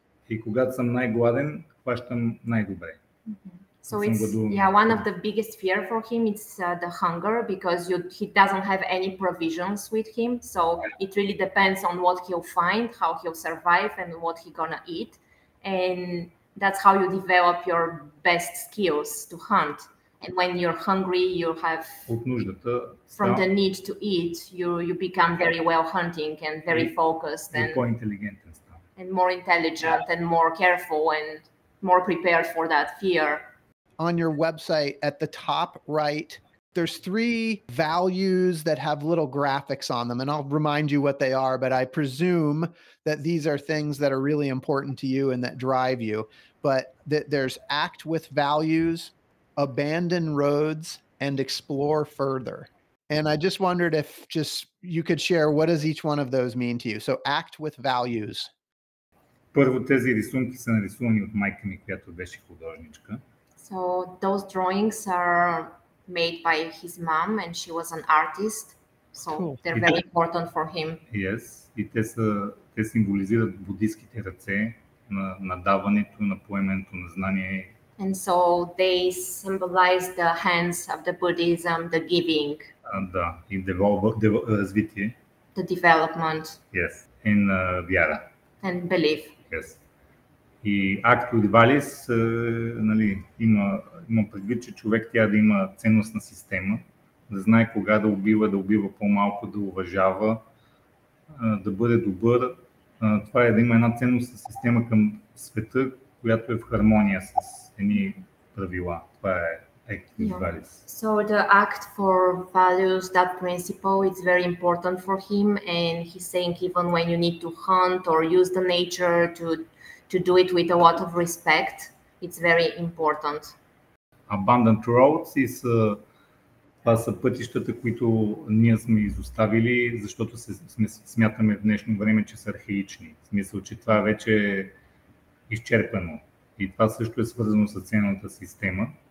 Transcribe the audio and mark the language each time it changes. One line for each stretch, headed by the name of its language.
Bulgarian: И когато съм най-гладен, хващам най-добре.
English: So one of the biggest fear for him is the hunger, because he doesn't have any provisions with him. So it really depends on what he'll find, how he'll survive, and what he's gonna eat. And that's how you develop your best skills to hunt. And when you're hungry, you have
Bulgarian: от нуждата,
English: from the need to eat, you become very well hunting and very focused and more intelligent and more intelligent and more careful and more prepared for that fear. On your website at the top right, there's three values that have little graphics on them, and I'll remind you what they are, but I presume that these are things that are really important to you and that drive you. But there's act with values, abandon roads, and explore further. And I just wondered if just you could share, what does each one of those mean to you? So act with values.
Bulgarian: Първо, тези рисунки са нарисувани от майка ми, която беше художничка.
English: So those drawings are made by his mom and she was an artist. So cool. They're very important for him.
Bulgarian: Yes. И те са те символизират буддийските ръце на, на даването, на поемането на знание.
English: And so they symbolize the hands of the Buddhism, the giving.
Bulgarian: Да, и развитие.
English: The development. Yes, and вяра. And belief. Yes.
Bulgarian: И акт от Валис, нали, има предвид, че човек трябва да има ценностна система, да знае кога да убива по-малко, да уважава, да бъде добър. Това е да има една ценностна система към света, която е в хармония с едни правила. Това е акт от Валис.
English: So the act for values, that principle, it's very important for him, and he's saying even when you need to hunt or use the nature to do it with a lot of respect, it's very important.
Bulgarian: Abandoned roads is това са пътищата, които ние сме изоставили, защото смятаме в днешно време, че са архаични. В смисъл, че това вече е изчерпано. И това също е свързано с ценната система.